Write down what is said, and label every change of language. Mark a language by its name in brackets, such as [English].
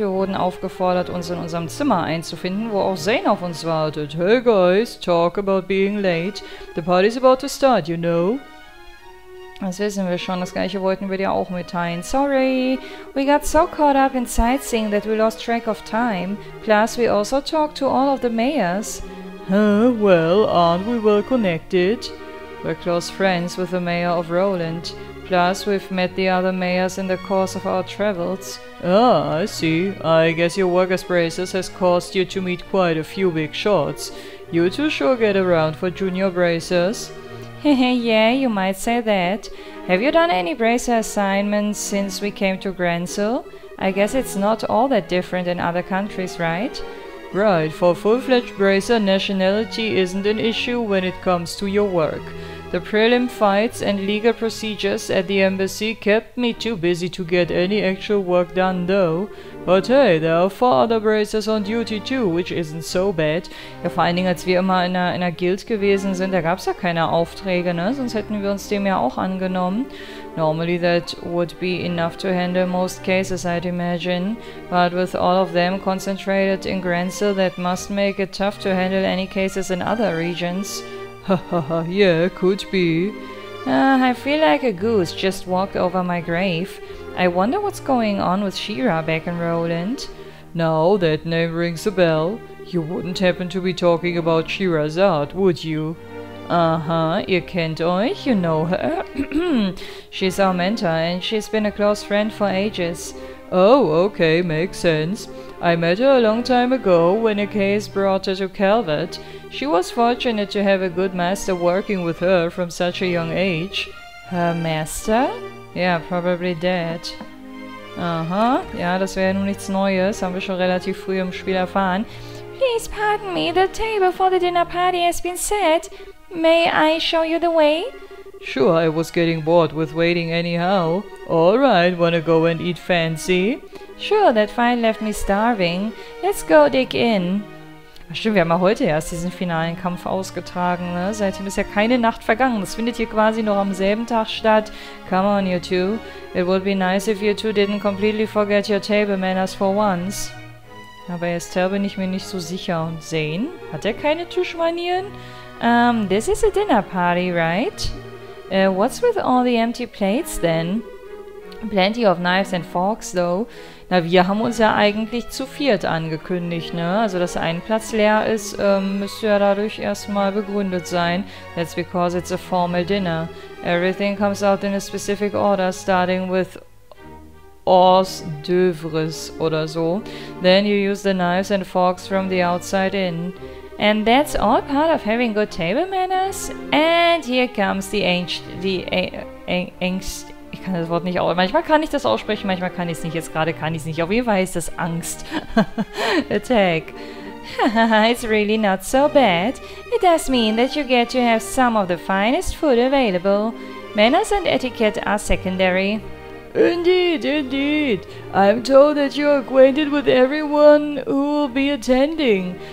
[German] Wir wurden aufgefordert, uns in unserem Zimmer einzufinden, wo auch Zane auf uns wartet. [English] Hey guys, talk about being late. The party's about to start, you know? Das wissen wir schon. Das gleiche wollten wir dir auch mitteilen. Sorry, we got so caught up in sightseeing that we lost track of time. Plus, we also talked to all of the mayors. Huh, well, aren't we well connected? We're close friends with the mayor of Roland. Plus, we've met the other mayors in the course of our travels. Ah, I see. I guess your worker's braces has caused you to meet quite a few big shots. You two sure get around for junior braces. Hehe, yeah, you might say that. Have you done any bracer assignments since we came to Grenzel? I guess it's not all that different in other countries, right? Right, for full-fledged bracer, nationality isn't an issue when it comes to your work. The prelim fights and legal procedures at the embassy kept me too busy to get any actual work done, though. But hey, there are 4 other bracers on duty too, which isn't so bad. [German] Ja, vor allen Dingen, als wir immer in einer Guild gewesen sind, da gab's ja keine Aufträge, ne? Sonst hätten wir uns dem ja auch angenommen. [English] Normally that would be enough to handle most cases, I'd imagine. But with all of them concentrated in Grenzel, that must make it tough to handle any cases in other regions. Hahaha, yeah, could be. I feel like a goose just walked over my grave. I wonder what's going on with She-Ra back in Roland. Now that name rings a bell. You wouldn't happen to be talking about She-Ra's art, would you? Uh-huh, [German] ihr kennt euch, [English] you know her. She's our mentor and she's been a close friend for ages. Oh, okay, makes sense. I met her a long time ago when a case brought her to Calvert. She was fortunate to have a good master working with her from such a young age. Her master? Yeah, probably dead. [German] Aha, ja, das wäre nun nichts Neues, haben wir schon relativ früh im Spiel erfahren. [English] Please pardon me, the table for the dinner party has been set. May I show you the way? Sure, I was getting bored with waiting anyhow. Alright, wanna go and eat fancy? Sure, that fine left me starving. Let's go dig in. [German] Ach stimmt, wir haben ja heute erst diesen finalen Kampf ausgetragen, ne? Seitdem ist ja keine Nacht vergangen. Das findet hier quasi noch am selben Tag statt. [English] Come on, you two. It would be nice if you two didn't completely forget your table manners for once. [German] Aber Estelle bin ich mir nicht so sicher. Und Zane? Hat er keine Tischmanieren? [English] This is a dinner party, right? What's with all the empty plates then? Plenty of knives and forks, though. [German] Na, wir haben uns ja eigentlich zu viert angekündigt, ne? Also, dass ein Platz leer ist, müsste ja dadurch erstmal begründet sein. [English] That's because it's a formal dinner. Everything comes out in a specific order, starting with hors d'oeuvres [German] oder so. [English] Then you use the knives and forks from the outside in. And that's all part of having good table manners? And here comes the angst... [German] Ich kann das Wort nicht aussprechen. Manchmal kann ich das aussprechen, manchmal kann ich es nicht. Jetzt gerade kann ich es nicht. Auf jeden Fall heißt das Angst. [English] Attack. It's really not so bad. It does mean that you get to have some of the finest food available. Manners and etiquette are secondary. Indeed, indeed. I'm told that you're acquainted with everyone who will be attending.